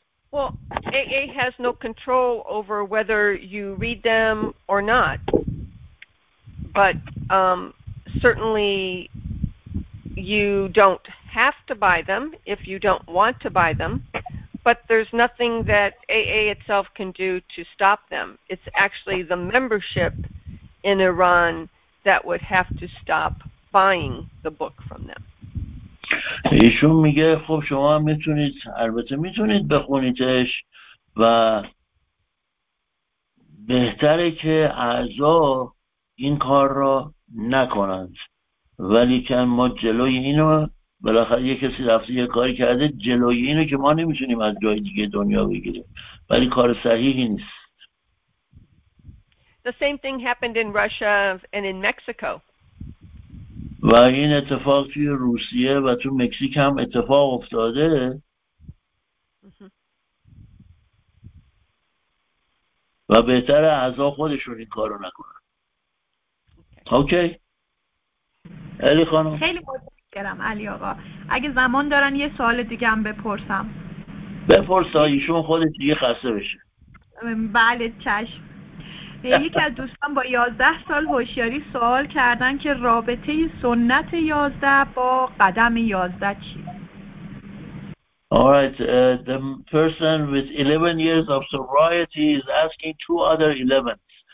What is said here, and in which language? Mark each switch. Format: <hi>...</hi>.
<en>Well, AA has no control over whether you read them or not, but certainly you don't have to buy them if you don't want to buy them, but there's nothing that AA itself can do to stop them. It's actually the membership in Iran that would have to stop buying the book from them.</en> <fa>ایشون میگه خب شما میتونید، البته میتونید بخونیدش، و بهتره که اعضا این کار را نکنند، ولی که ما جلوی اینو، بالاخره یه کسی رفته یه کاری کرده، جلوی اینو که ما نمیتونیم از جای دیگه دنیا بگیریم، ولی کار صحیحی نیست.</fa> <en>The same thing happened in Russia and in Mexico.</en> <fa>و این اتفاق توی روسیه و تو مکزیک هم اتفاق افتاده. و بهتره اعضا خودشون این کارو نکنن. اوکی. علی خانم. خیلی متشکرم علی آقا. اگه زمان دارن یه سوال دیگه هم بپرسم. بپرس تا ایشون خودش دیگه خسته بشه. بله چشم. یکی از دوستان با 11 سال هوشیاری سوال کردن که رابطه سنت 11 با قدم 11 چیه؟</fa> <en>Alright, the person with 11 years of sobriety is asking two other 11s.</en>